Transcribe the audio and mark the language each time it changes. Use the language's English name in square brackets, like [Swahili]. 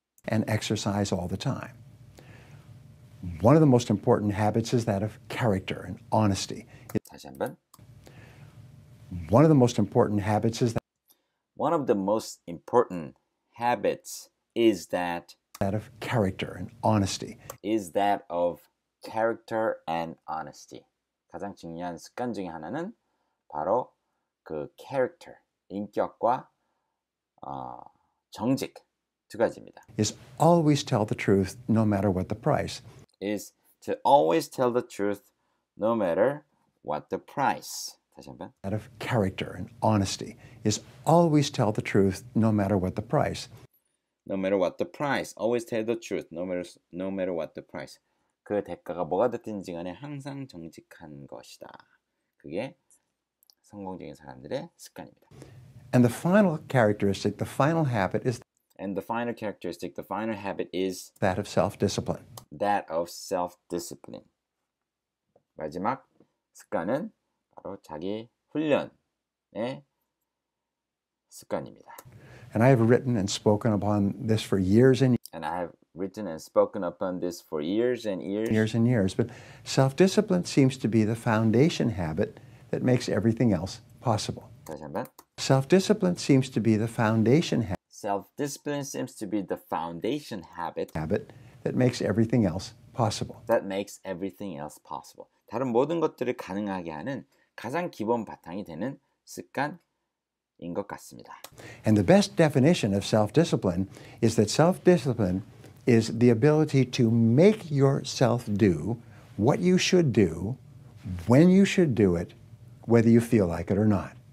[English] And exercise all the time. One of the most important habits is that of character and honesty. [Korean] 다시 한번. [English] One of the most important habits is that One of the most important habits is that that of character and honesty. is that of character and honesty. [Korean] 가장 중요한 습관 중에 하나는 바로 그 character, 인격과 정직 두 가지입니다. [English] is always tell the truth no matter what the price. is to always tell the truth no matter what the price. [Korean] 다시 한 번. [English] that of character and honesty is always tell the truth no matter what the price. No matter what the price, always tell the truth. No matter what the price. [Korean] 그 대가가 뭐가 됐든지 간에 항상 정직한 것이다. 그게 성공적인 사람들의 습관입니다. [English] And the final characteristic, the final habit is And the final characteristic, the final habit is that of self-discipline. That of self-discipline. [Korean] 마지막 습관은 바로 자기 훈련의 습관입니다. [English] And I have written and spoken upon this for years and years. And I have written and spoken upon this for years and years. Years and years. But self-discipline seems to be the foundation habit that makes everything else possible. [Korean] 다시 한 번. [English] Self-discipline seems to be the foundation habit. Self-discipline seems to be the foundation habit. Habit that makes everything else possible. That makes everything else possible. [Korean] 다른 모든 것들을 가능하게 하는 가장 기본 바탕이 되는 습관. 인 것 같습니다. [English] And the best definition of self-discipline is that self-discipline is the ability to make yourself do what you should do, when you should do it, whether you feel like it or not.